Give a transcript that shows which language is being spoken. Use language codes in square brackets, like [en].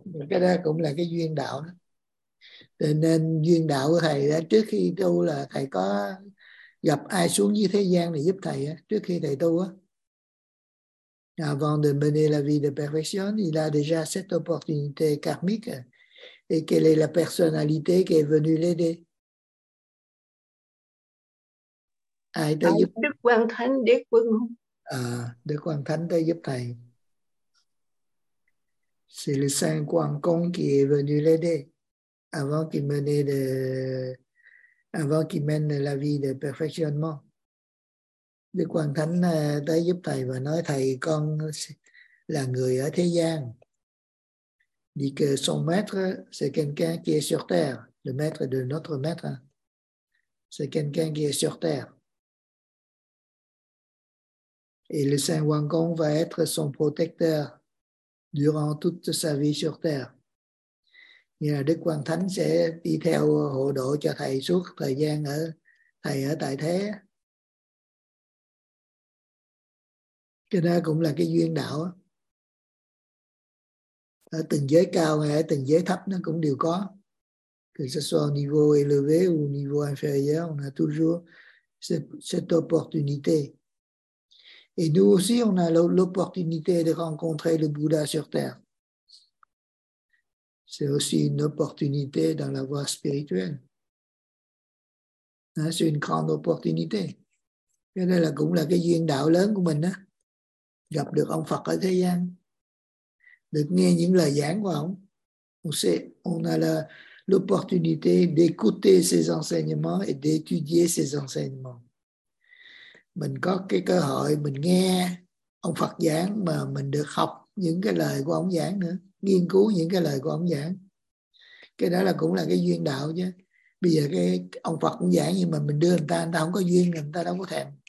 [vi] Cái đó cũng là cái duyên đạo đó. Nên duyên đạo của thầy đó, trước khi tu là thầy có gặp ai xuống dưới thế gian để giúp thầy đó, trước khi thầy tu đó. [fr] Avant de mener la vie de perfection, il a déjà cette opportunité karmique et quelle est la personnalité qui est venue l'aider? [vi] Ai tới giúp? Đức Quang Thánh, Đế Quân. Đức Quang Thánh tới giúp thầy. [fr] C'est le Saint Guangkong qui est venu l'aider avant qu'il mène la vie de perfectionnement. [vi] Đức Quang Thánh tới giúp thầy và nói thầy con là người ở thế gian. [fr] Dit que son maître, c'est quelqu'un qui est sur terre. Le maître de notre maître, c'est quelqu'un qui est sur terre. Et le Saint Guangkong va être son protecteur durant toute sa vie sur terre. [vi] Nghĩa là Đức Quang Thánh sẽ đi theo hộ độ cho thầy suốt thời gian ở thầy ở tại thế. Cái đó cũng là cái duyên đạo. Ở từng giới cao hay ở từng giới thấp nó cũng đều có. [fr] Que ce soit au niveau élevé ou au niveau inférieur, on a toujours cette opportunité. Et nous aussi, on a l'opportunité de rencontrer le Bouddha sur Terre. C'est aussi une opportunité dans la voie spirituelle. Hein, c'est une grande opportunité. [vi] Cái này là cũng là cái duyên đạo lớn của mình. Gặp được ông Phật ở thế gian. Được nghe những lời giảng của ông. [fr] On a l'opportunité d'écouter ses enseignements et d'étudier ses enseignements. [vi] Mình có cái cơ hội mình nghe ông Phật giảng mà mình được học những cái lời của ông giảng nữa, nghiên cứu những cái lời của ông giảng. Cái đó là cũng là cái duyên đạo chứ. Bây giờ cái ông Phật cũng giảng nhưng mà mình đưa người ta không có duyên, người ta đâu có thèm.